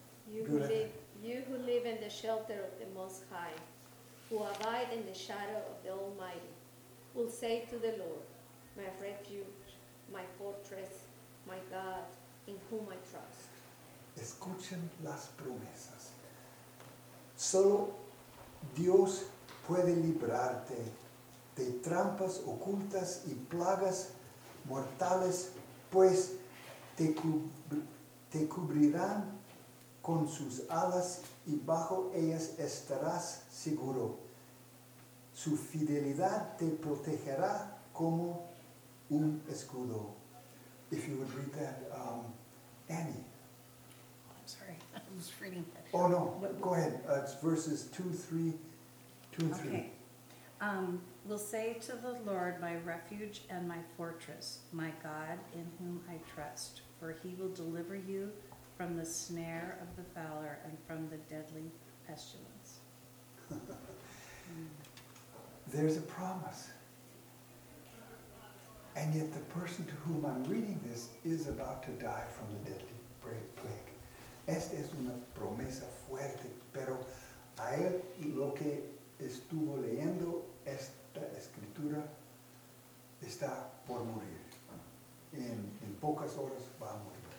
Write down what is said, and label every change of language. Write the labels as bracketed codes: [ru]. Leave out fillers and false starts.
[en] You who live in the shelter of the Most High, who abide in the shadow of the Almighty, will say to the Lord, my refuge, my fortress, my God, in whom I trust. [es] Escuchen las promesas. Solo Dios puede librarte de trampas ocultas y plagas mortales, pues te cubrirán con sus alas y bajo ellas estarás seguro. Su fidelidad te protegerá como un escudo. [en] If you would read that, Annie. Oh, I'm sorry, I was reading that. Oh no, go ahead, it's verses 2 and 3. Okay. Will say to the Lord, my refuge and my fortress, my God in whom I trust, for he will deliver you from the snare of the fowler and from the deadly pestilence. There's a promise. And yet the person to whom I'm reading this is about to die from the deadly plague. [es] Esta es una promesa fuerte, pero a él lo que estuvo leyendo esta escritura está por morir. En pocas horas va a morir.